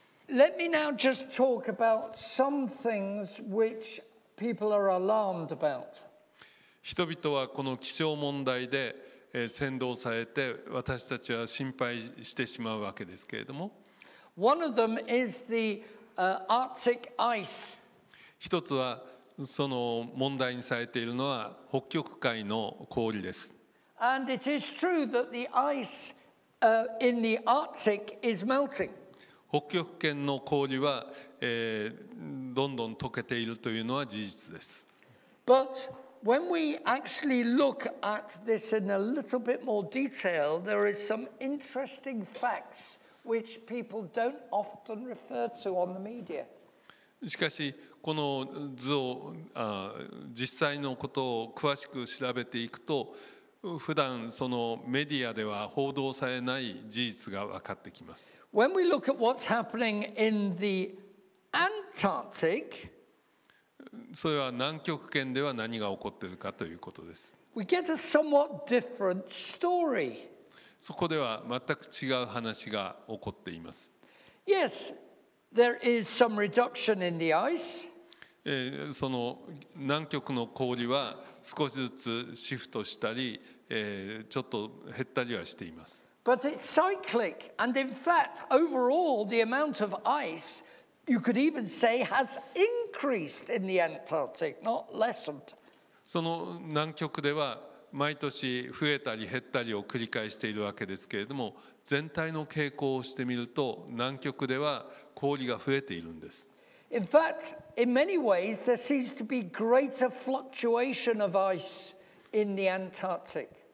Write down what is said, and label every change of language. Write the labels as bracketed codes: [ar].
[en] Let me now just talk about some things which people are alarmed about. [ja] 人々はこの気象問題で扇動されて、私たちは心配してしまうわけですけれども。 [en] One of them is the Arctic ice. [ja] 一つはその問題にされているのは北極海の氷です。 [en] And it is true that the ice in the Arctic is melting. [ja] 北極圏の氷はどんどん溶けているというのは事実です。 [en] But when we actually look at this in a little bit more detail, there is some interesting facts which people don't often refer to on the media. [ja] しかしこの図を実際のことを詳しく調べていくと、普段そのメディアでは報道されない事実が分かってきます。 [en] When we look at what's happening in the Antarctic, [ja] それは南極圏では何が起こっているかということです。 [en] We get a somewhat different story. [ja] そこでは全く違う話が起こっています。 [en] Yes, there is some reduction in the ice. [ja] その南極の氷は少しずつシフトしたり、ちょっと減ったりはしています。 [en] But it's cyclic, and in fact, overall, the amount of ice. You could even say has increased in the Antarctic, not lessened. [ja] その南極では毎年増えたり減ったりを繰り返しているわけですけれども、全体の傾向をしてみると南極では氷が増えているんです。 [en] In fact, in many ways, there seems to be greater fluctuation of ice in the Antarctic.